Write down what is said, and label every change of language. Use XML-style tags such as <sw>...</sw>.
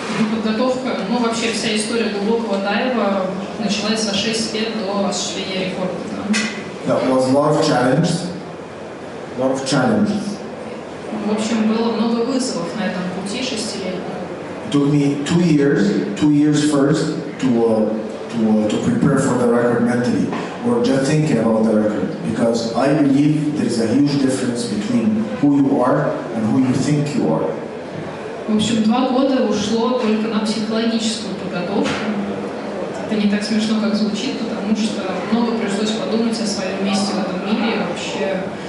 <ru>Подготовка, ну, вообще вся история глубокого дайва началась за 6 лет до осуществления рекорда.</ru> <en>That was a lot of challenges.</en> <ru>В общем, было много вызовов на этом пути 6 лет.</ru> <en>Took me two years first to prepare for the record mentally, or just thinking about the record, because I believe there is a huge difference between who you are and who you think you are.</en> <ru>В общем, 2 года ушло только на психологическую подготовку. Это не так смешно, как звучит, потому что много пришлось подумать о своем месте в этом мире вообще.</ru>